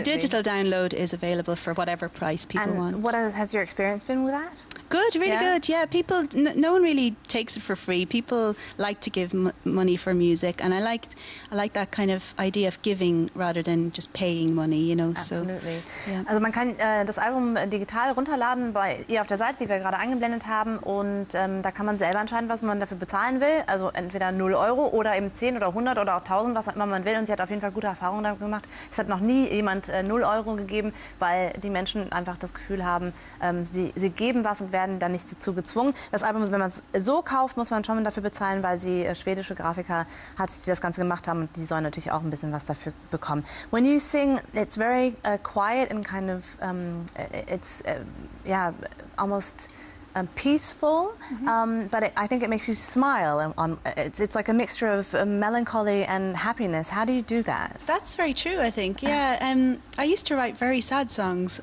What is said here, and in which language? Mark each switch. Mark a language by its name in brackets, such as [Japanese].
[English] But the digital download is available for whatever price people and want. What has your experience been with that? Good, really yeah. good. Yeah, people, no one really takes it for free. People like to give money for music, and I like that kind of idea of giving rather than just paying money, you know. Absolutely. So, yeah. [German] Also man kann das Album digital runterladen bei ihr auf der Seite, die wir gerade eingeblendet haben, und da kann man selber entscheiden, was man dafür bezahlen will. Also entweder 0 Euro oder eben 10 oder 100 oder auch 1000, was auch immer man will. Und sie hat auf jeden Fall gute Erfahrungen damit gemacht. Es hat noch nie jemand 0 Euro gegeben, weil die Menschen einfach das Gefühl haben, sie geben was und werden dann nicht dazu gezwungen. Das Album, wenn man es so kauft, muss man schon dafür bezahlen, weil sie schwedische Grafiker hat, die das Ganze gemacht haben, und die sollen natürlich auch ein bisschen was dafür bekommen. [English] When you sing, it's very quiet and kind of, it's yeah, almost peaceful, mm-hmm. But I think it makes you smile. It's like a mixture of melancholy and happiness. How do you do that? That's very true, I think. Yeah, I used to write very sad songs.